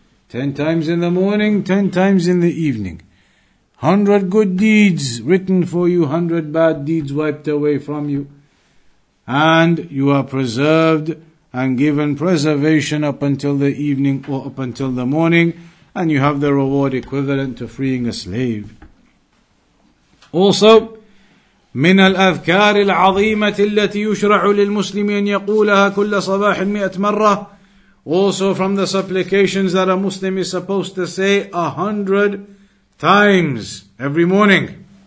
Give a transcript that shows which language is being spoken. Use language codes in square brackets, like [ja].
[en] 10 times in the morning, 10 times in the evening. 100 good deeds written for you, 100 bad deeds wiped away from you. And you are preserved and given preservation up until the evening or up until the morning. And you have the reward equivalent to freeing a slave. [ar] Also, من الأذكار العظيمة التي يشرع للمسلم أن يقولها كل صباح 100 مرة. [en] Also from the supplications that a Muslim is supposed to say 100 times every morning.